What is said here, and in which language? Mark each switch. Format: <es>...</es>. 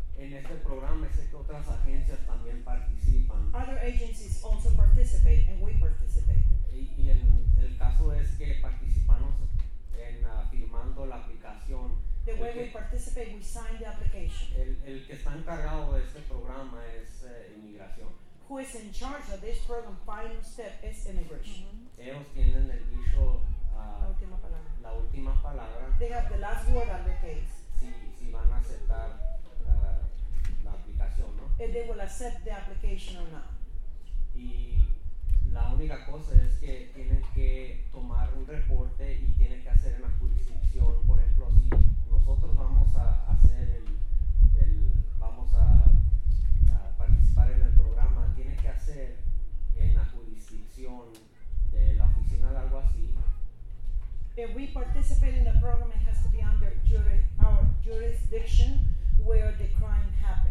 <es>En este programa sé que otras agencias también participan.</es> <en>Other agencies also participate and we participate.</en> <es>Y el caso es que participamos en firmando la aplicación.</es> <en>The way we participate, we sign the application.</en> <es>El que está encargado de este programa es inmigración.</es> <en>Who is in charge of this program, final step, is immigration. Mm-hmm.</en> <es>Ellos tienen el dicho, la última palabra.</es> <en>They have the last word on the case.</en> <es>Si van a aceptar la aplicación, ¿no?</es> <en>If they will accept the application or not.</en> <es>Y la única cosa es que tienen que tomar un reporte y tienen que hacer en la jurisdicción. Por ejemplo, si nosotros vamos a hacer vamos a participar en el programa, tienen que hacer en la jurisdicción de la oficina de alguacil.</es> <en>If we participate in the program, it has to be under our jurisdiction where the crime happened.</en>